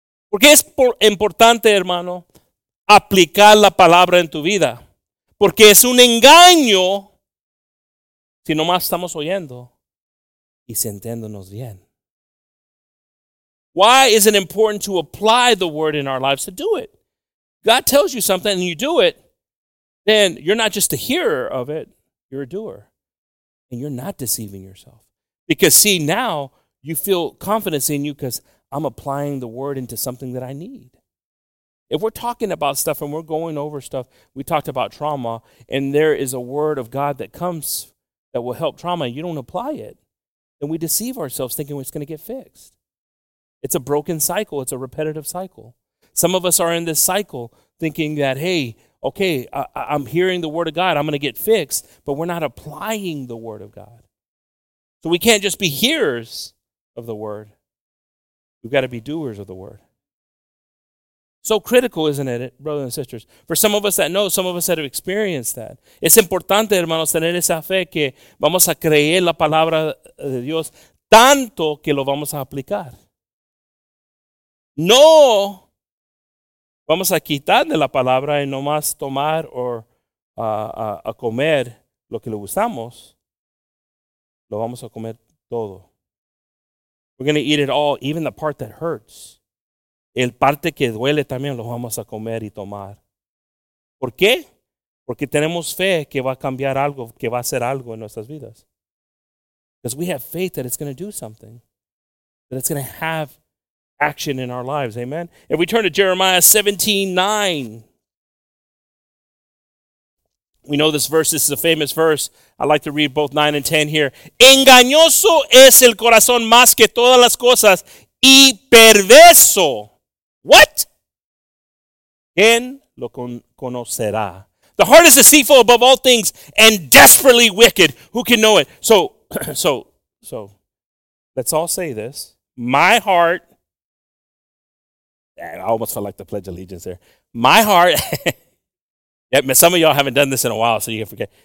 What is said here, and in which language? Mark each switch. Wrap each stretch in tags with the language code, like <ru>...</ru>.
<es>Porque es importante, hermano, aplicar la palabra en tu vida. Porque es un engaño si nomás estamos oyendo y sintiéndonos bien.</es> <en>Why is it important to apply the word in our lives to do it? God tells you something and you do it, then you're not just a hearer of it, you're a doer. And you're not deceiving yourself. Because see, now you feel confidence in you because I'm applying the word into something that I need. If we're talking about stuff and we're going over stuff, we talked about trauma, and there is a word of God that comes that will help trauma, and you don't apply it, then we deceive ourselves thinking it's going to get fixed. It's a broken cycle. It's a repetitive cycle. Some of us are in this cycle thinking that, hey, okay, I'm hearing the word of God. I'm going to get fixed, but we're not applying the word of God. So we can't just be hearers of the word. We've got to be doers of the word. So critical, isn't it, brothers and sisters? For some of us that know, some of us that have experienced that.</en> <es>Es importante, hermanos, tener esa fe que vamos a creer la palabra de Dios tanto que lo vamos a aplicar. No vamos a quitar de la palabra y nomás tomar o a comer lo que le gustamos. Lo vamos a comer todo.</es> <en>We're going to eat it all, even the part that hurts.</en> <es>El parte que duele también lo vamos a comer y tomar. ¿Por qué? Porque tenemos fe que va a cambiar algo, que va a hacer algo en nuestras vidas.</es> <en>Because we have faith that it's going to do something. That it's going to have action in our lives. Amen. If we turn to Jeremiah 17:9, we know this verse. This is a famous verse. I like to read both 9 and 10 here.</en> <es>Engañoso es el corazón más que todas las cosas y perverso.</es> <en>What?</en> <es>¿Quién lo conocerá?</es> <en>The heart is deceitful above all things and desperately wicked. Who can know it? So, let's all say this. My heart. I almost felt like the Pledge of Allegiance there. My heart. Some of y'all haven't done this in a while, so you can forget.</en>